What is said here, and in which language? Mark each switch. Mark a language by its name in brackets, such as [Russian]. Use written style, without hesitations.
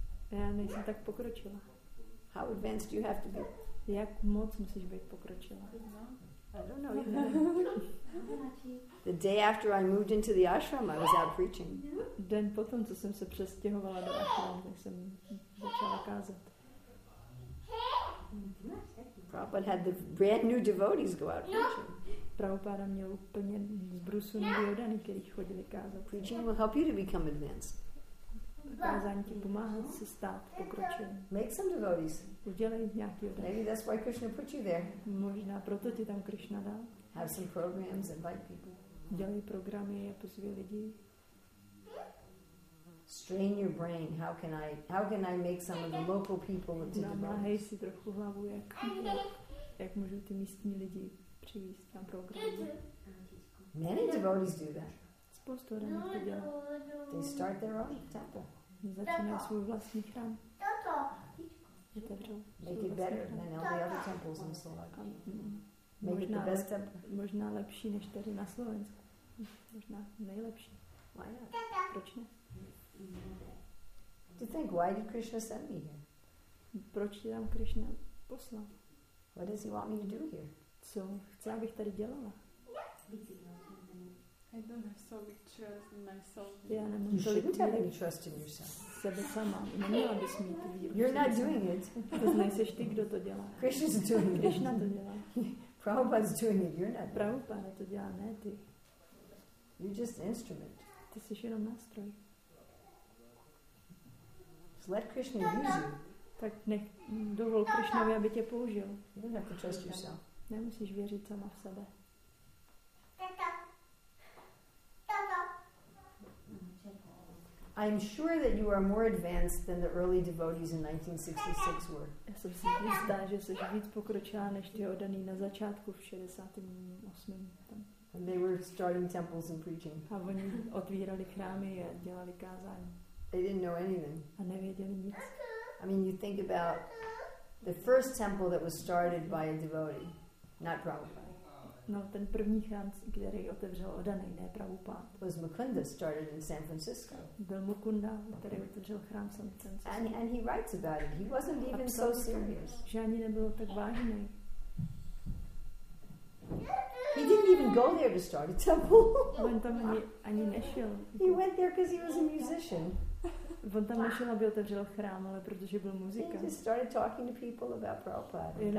[Czech] Já nejsem tak pokročila. [English] How advanced do you have to be? [Czech] Jak moc musíš být pokročila? [English] I don't know. The day after I moved into the ashram, I was out preaching. [Czech] Den potom, co jsem se přestěhovala do ashram, tak jsem začala kázat. [English] Prabhupada had the brand new devotees go out preaching. [Czech] Prabhupada měl úplně z brusu nový oddaný, který chodili kázat. [English] Preaching will help you to become advanced. [Czech] Kázání ti pomáhá se stát pokročilým. [English] Make some devotees. [Czech] Udělej nějaký oddaný. [English] Maybe that's why Krishna put you there. [Czech] Možná proto ti tam Krishna dal. [English] Have some programs, invite people. [Czech] Udělej programy a pozvi lidi. [English] Strain your brain. How can I make some of the local people into devotees? [Czech] Namáhej si trochu hlavu, jak můžu ty místní lidi přivést na program. [English] Many devotees do that. [Czech] Spoustu odaných to dělá. [English] They start their own temple. [Czech] Začínají svůj vlastní chrám. [English] Make it better than all the other temples in Slovakia. Make it the best temple. [Czech] Možná lepší než tady na Slovensku. Možná nejlepší. [English] Why not? [Czech] Proč ne? [English] To think, why did Krishna send me here? [Czech] Proč tě tam Krishna poslal? [English] What does he want me to do here? [Czech] Co chce, abych tady dělala? [English] I don't have so big trust in myself. Yeah, you shouldn't have any trust in yourself. [Czech] Sebe sama. Neměla bys mít víru. [English] You're not doing it. [Czech] To nejseš ty, kdo to dělá. [English] Krishna's doing it. [Czech] Krishna to dělá. [English] Prabhupada's doing it. You're not. [Czech] Prabhupada to dělá, ne ty. [English] You're just an instrument. [Czech] Ty jsi jenom nástroj. [English] Let Krishna use you. [Czech] Tak nech dovol Krishnovi, aby tě použil. [English] You don't have to trust yourself. [Czech] Nemusíš věřit sama v sebe. [English] I'm sure that you are more advanced than the early devotees in 1966 were. [Czech] Já jsem si jistá, že jsi víc pokročila než ty oddaný na začátku v 68. Tam. [English] And they were starting temples and preaching. [Czech] A oni otvírali chrámy a dělali kázání. [English] They didn't know anything. [Czech] A nevěděli nic. [English] I mean, you think about the first temple that was started by a devotee, not Prabhupada. [Czech] No, ten první chrám, který otevřel oddaný, ne Prabhupada. [English] Was Mukunda started in San Francisco. [Czech] Byl Mukunda, který otevřel chrám San Francisco. [English] And he writes about it. He wasn't even so serious. [Czech] Že ani nebyl tak vážný. [English] He didn't even go there to start a temple. [Czech] On tam ani nešel. [English] He went there because he was a musician. [Czech] On tam nešel, aby otevřel chrám, ale protože byl muzikant. [English] He just started talking to people about Prabhupada.